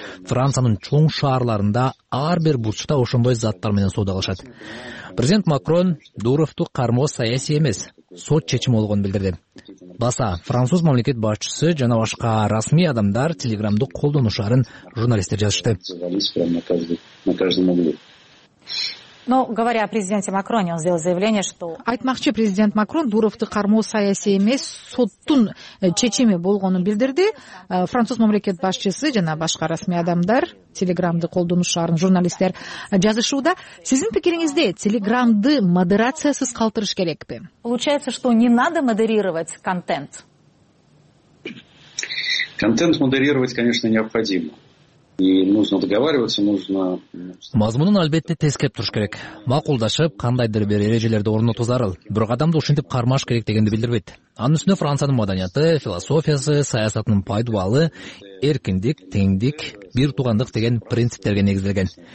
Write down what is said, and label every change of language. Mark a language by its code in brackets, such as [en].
[ky] Франциянын чоң шаарларында ар бир бурчта ошондой заттар менен соода кылышат. Президент Макрон Дуровту кармоо саясий эмес, сот чечими болгонун билдирди. Баса француз мамлекет башчысы жана башка расмий адамдар телеграмды колдонушарын журналисттер жазышты. [ru] Но говоря о президенте Макроне, он сделал заявление, что... [ky] Айтмакчы президент Макрон Дуровту кармоо саясий эмес, соттун чечими болгонун билдирди. Француз мамлекет башчысы жана башка расмий адамдар телеграмды колдонушарын журналисттер жазышууда. Сиздин пикириңизде телеграмды модерациясыз калтырыш керекпи? [ru] Получается, что не надо модерировать контент. Контент модерировать, конечно, необходимо. [ky] Мазмунун албетте тескеп туруш керек. Макулдашып, кандайдыр бир эрежелерди орнотуу зарыл, бирок адамды ушинтип кармаш керек дегенди билдирбейт. Анын үстүнө Франциянын маданияты, философиясы, саясатынын пайдубалы, эркиндик, теңдик, бир туугандык деген принциптерге негизделген.